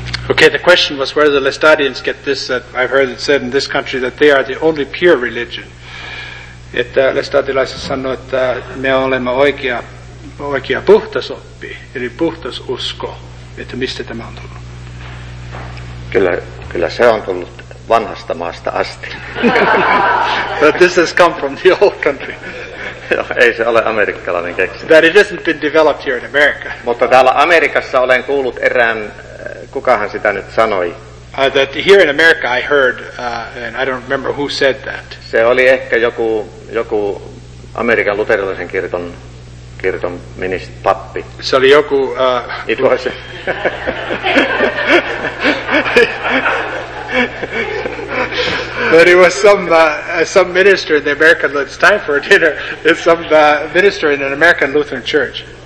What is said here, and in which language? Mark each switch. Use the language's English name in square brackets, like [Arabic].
[English] Okay, the question was where the Lestadians get this, that I've heard it said in this country that they are the only pure religion. [Finnish] Että lestadilaiset sanoo, että me olemme oikea puhtas oppi, eli puhtas usko. Että mistä tämä on tullut? Kyllä se on tullut vanhasta maasta asti. [English] But this has come from the old country. [Finnish] Ei se ole amerikkalainen keksintö. [English] That it hasn't been developed here in America. [Finnish] Mutta täällä Amerikassa olen kuullut erään, kukahan sitä nyt sanoi? [English] That here in America I heard, and I don't remember who said that. [Finnish] Se oli ehkä joku Amerikan luterilaisen kirkon ministeri, pappi. Se oli joku... [English] It was a... But it was some minister in the American... It's time for dinner. It's some minister in an American Lutheran church.